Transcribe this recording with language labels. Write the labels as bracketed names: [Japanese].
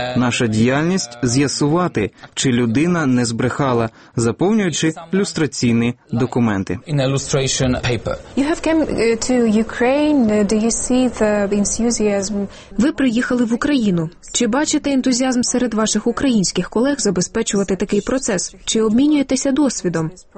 [Ukrainian] наша діяльність з'ясувати, чи людина не збрехала, заповнюючи люстраційні документи. [English] In illustration paper. You have come to Ukraine. Do you see the enthusiasm? [Ukrainian] Ви приїхали в Україну. Чи бачите ентузіазм серед ваших українських колег забезпечувати такий процес? Чи обмінюєтеся досвідом?